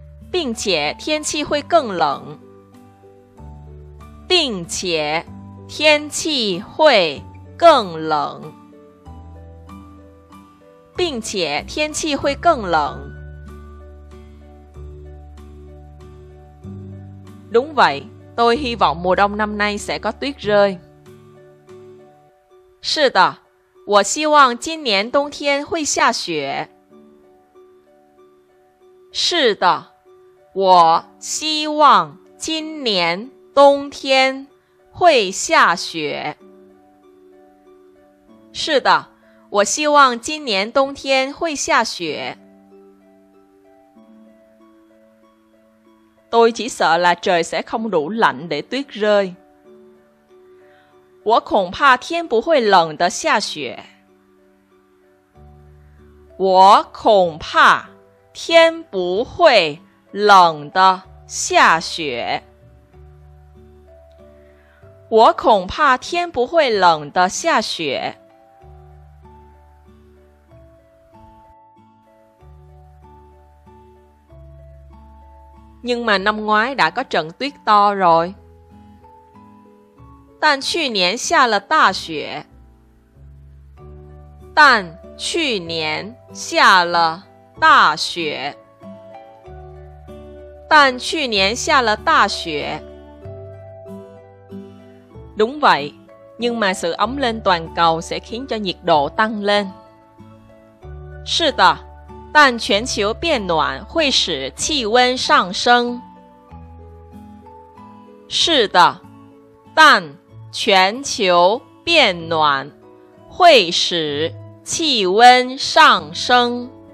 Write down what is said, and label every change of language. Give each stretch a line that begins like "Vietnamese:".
Chinese: 并且天气会更冷，并且天气会更冷，并且天气会更冷。
Vietnamese: Đúng vậy, tôi hy vọng mùa đông năm nay sẽ có tuyết rơi.
Chinese: 是的，我希望今年冬天会下雪。是的。我希望今年冬天会下雪。是的，我希望今年冬天会下雪。
Vietnamese: Tôi chỉ sợ là trời sẽ không đủ lạnh để tuyết rơi.
Chinese: 我恐怕天不会冷的下雪。我恐怕天不会冷的下雪，我恐怕天不会冷的下雪。
Vietnamese: Nhưng mà năm ngoái đã có trận tuyết to rồi.
Chinese: 但去年下了大雪，但去年下了大雪。但去年下了大雪。
Vietnamese: Đúng vậy, nhưng mà sự ấm lên toàn cầu sẽ khiến cho nhiệt độ tăng lên.
Chinese: 是的，但全球变暖会使气温上升。是的，但全球变暖会使气温上升。